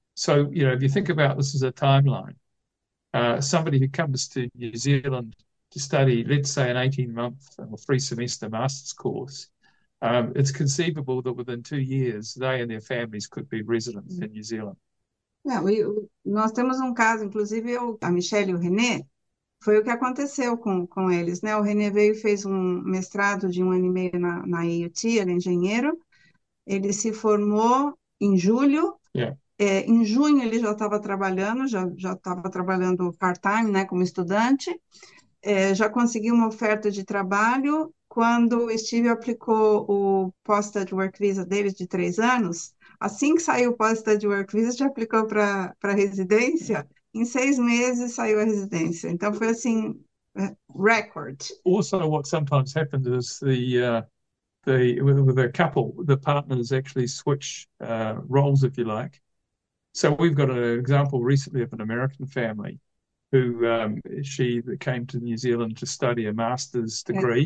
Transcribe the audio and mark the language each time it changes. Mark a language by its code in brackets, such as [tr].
[en] So, if you think about this as a timeline, somebody who comes to New Zealand to study, let's say, an 18-month or 3-semester master's course, it's conceivable that within 2 years they and their families could be residents in New Zealand. [pt] Não, nós temos um caso, inclusive a Michelle e o René, foi o que aconteceu com eles, né? O René veio e fez um mestrado de 1 ano e meio na AUT, ele é engenheiro. Ele se formou em julho, em junho ele já estava trabalhando, já estava trabalhando part-time, né, como estudante, já conseguiu uma oferta de trabalho. Quando o Steve aplicou o Post-Study Work Visa dele de 3 anos, assim que saiu o Post-Study Work Visa, já aplicou para residência. Em 6 meses saiu a residência. Então foi assim, recorde. [en] Also, what sometimes happens is the couple, the partners actually switch roles, if you like. So we've got an example recently of an American family who she came to New Zealand to study a master's degree.